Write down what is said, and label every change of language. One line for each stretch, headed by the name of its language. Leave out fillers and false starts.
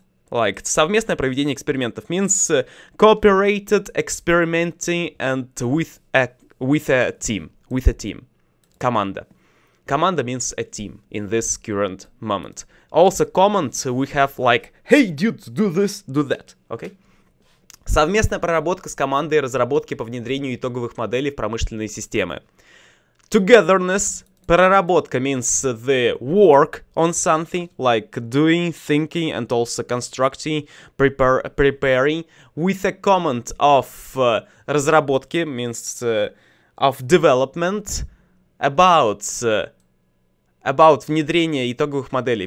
English: Like,
Russian: совместное проведение экспериментов
English: means cooperated experimenting and with a team. Команда. Команда means a team in this current moment. Also, command we have like, hey, dude, do this, do that. Okay?
Russian: Совместная проработка с командой разработки по внедрению итоговых моделей в промышленные системы.
English: Togetherness. Проработка means the work on something, like doing, thinking, and also constructing, preparing. With a command of разработки means of development about
Russian: внедрение итоговых моделей.